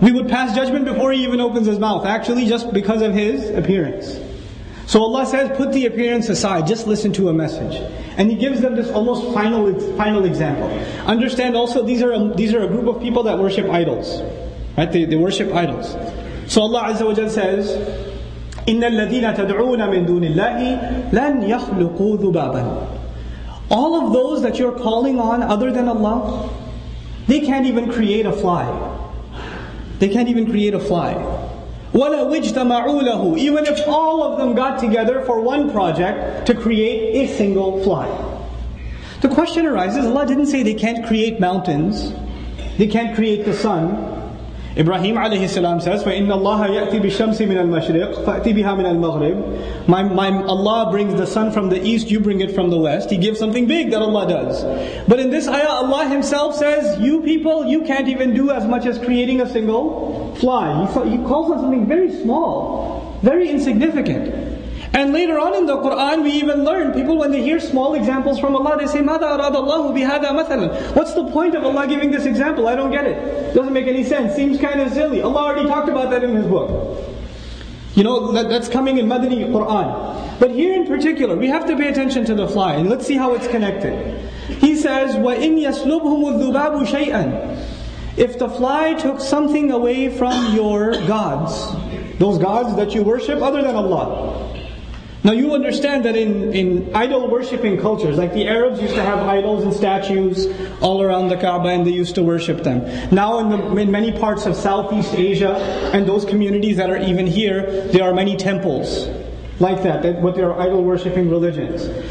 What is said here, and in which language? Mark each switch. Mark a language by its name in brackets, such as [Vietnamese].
[English] We would pass judgment before he even opens his mouth, actually just because of his appearance. So Allah says, put the appearance aside, just listen to a message. And He gives them this almost final example. Understand also, these are a group of people that worship idols. Right? They worship idols. So Allah Azza wa Jal says, [Arabic] إِنَّ الَّذِينَ تَدْعُونَ مِن دُونِ اللَّهِ لَنْ يَخْلُقُوا ذُبَابًا. [English] All of those that you're calling on other than Allah, they can't even create a fly. They can't even create a fly. [Arabic] وَلَا وِجْتَمَعُوا لَهُ. [English] Even if all of them got together for one project to create a single fly. The question arises, Allah didn't say they can't create mountains, they can't create the sun. Ibrahim alayhi salam says, [Arabic] فَإِنَّ اللَّهَ يَأْتِ بِالشَّمْسِ مِنَ الْمَشْرِقِ فَأْتِ بِهَا مِنَ الْمَغْرِبِ. [English] My Allah brings the sun from the east, you bring it from the west. He gives something big that Allah does. But in this ayah, Allah Himself says, you people, you can't even do as much as creating a single fly. He calls on something very small, very insignificant. And later on in the Qur'an, we even learn, people when they hear small examples from Allah, they say, [Arabic] مَاذَا أَرَادَ اللَّهُ بِهَذَا مَثَلًا. [English] What's the point of Allah giving this example? I don't get it. Doesn't make any sense. Seems kind of silly. Allah already talked about that in His book. You know, that's coming in Madani Quran. But here in particular, we have to pay attention to the fly, and let's see how it's connected. He says, [Arabic] وَإِنْ يَسْلُبْهُمُ الذُّبَابُ شَيْئًا. [English] If the fly took something away from your gods, those gods that you worship other than Allah. Now you understand that in idol-worshipping cultures, like the Arabs used to have idols and statues all around the Kaaba and they used to worship them. Now in many parts of Southeast Asia and those communities that are even here, there are many temples like that, what they are idol-worshipping religions.